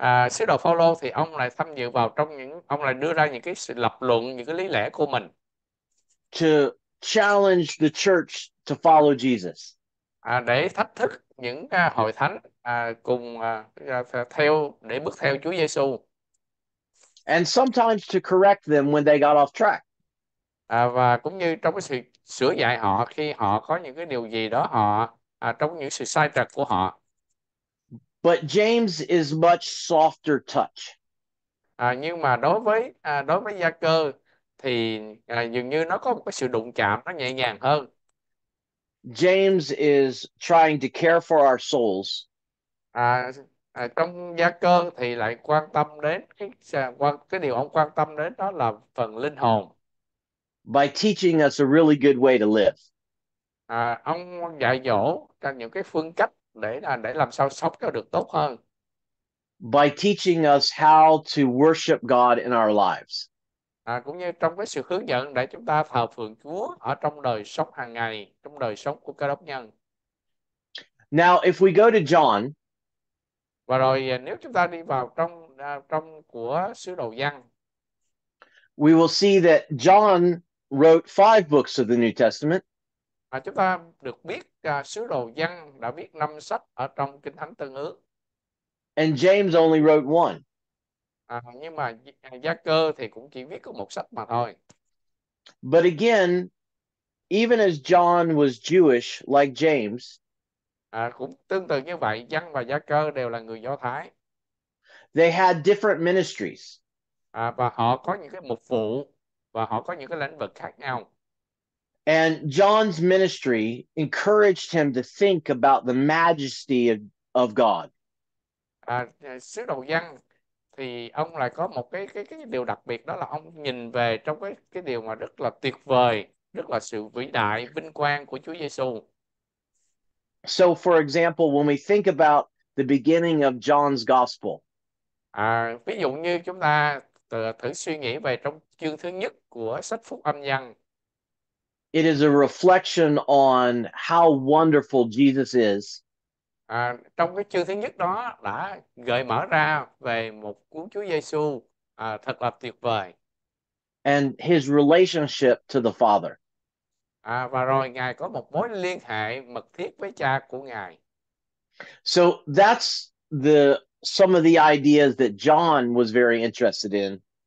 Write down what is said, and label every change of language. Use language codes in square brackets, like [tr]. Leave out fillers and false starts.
[vi] Sứ đồ Phaolô thì ông lại tham dự vào trong những ông lại đưa ra những cái sự lập luận, những cái lý lẽ của mình. [en] To challenge the church to follow Jesus. [vi] Để thách thức những hội thánh cùng theo để bước theo Chúa Giêsu. [en] And sometimes to correct them when they got off track. [vi] Và cũng như trong cái sự sửa dạy họ khi họ có những cái điều gì đó họ trong những sự sai trật của họ. [en] But James is much softer touch. [vi] Nhưng mà đối với Gia Cơ thì dường như nó có một cái sự đụng chạm nó nhẹ nhàng hơn. [en] James is trying to care for our souls. [vi] Trong Gia Cơ thì lại quan tâm đến cái điều ông quan tâm đến đó là phần linh hồn. [en] By teaching us a really good way to live. [vi] Ông dạy dỗ cho những cái phương cách để làm sao sống cho được tốt hơn. [en] By teaching us how to worship God in our lives. [vi] Cũng như trong cái sự hướng dẫn để chúng ta thờ phượng Chúa ở trong đời sống hàng ngày, trong đời sống của Cơ đốc nhân. [en] Now, if we go to John, [vi] Và rồi nếu chúng ta đi vào trong trong của sứ đồ Giăng. [en] we will see that John wrote five books of the New Testament. [vi] Chúng ta được biết sứ đồ Giăng đã viết 5 sách ở trong Kinh Thánh Tân Ước. [en] And James only wrote one. [vi] Nhưng mà Gia Cơ thì cũng chỉ viết có 1 sách mà thôi. [en] But again, even as John was Jewish, like James, [vi] Cũng tương tự như vậy, Giăng và Gia Cơ đều là người Do Thái. [en] they had different ministries. [vi] Và họ có những cái mục vụ và họ có những cái lĩnh vực khác nhau. [en] And John's ministry encouraged him to think about the majesty of God. [vi] Sứ đồ Giăng thì ông lại có một cái điều đặc biệt đó là ông nhìn về trong cái điều mà rất là tuyệt vời, rất là sự vĩ đại, vinh quang của Chúa Giêsu. [en] So, for example, when we think about the beginning of John's gospel, [vi] Ví dụ như chúng ta thử suy nghĩ về trong chương thứ nhất của sách Phúc Âm Giăng. [en] it is a reflection on how wonderful Jesus is. [vi] Trong cái chương thứ nhất đó đã gợi mở ra về một cuốn Chúa Giêsu thật là tuyệt vời. [en] And his relationship to the Father. [vi] Và rồi Ngài có một mối liên hệ mật thiết với Cha của Ngài. [en] So that's the some of the ideas that John was very interested in.